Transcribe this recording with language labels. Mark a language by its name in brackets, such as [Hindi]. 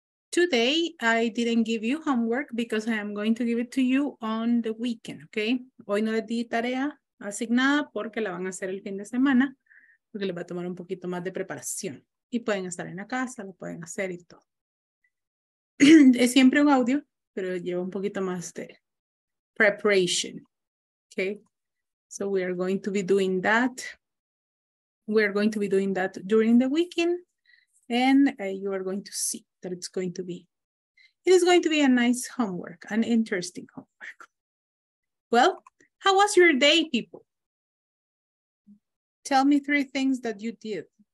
[English] Today, I didn't give you homework because I am going to give it to you on the weekend, okay? [Spanish] Hoy no le di tarea asignada porque la van a hacer el fin de semana, porque les va a tomar un poquito más de preparación. Y pueden estar en la casa, lo pueden hacer y todo. Es siempre un audio, pero lleva un poquito más de preparation. [English] Okay, so we are going to be doing that. We are going to be doing that during the weekend. And you are going to see that it's going to be, it is going to be a nice homework, an interesting homework. Well, how was your day, people? Tell me three things that you did.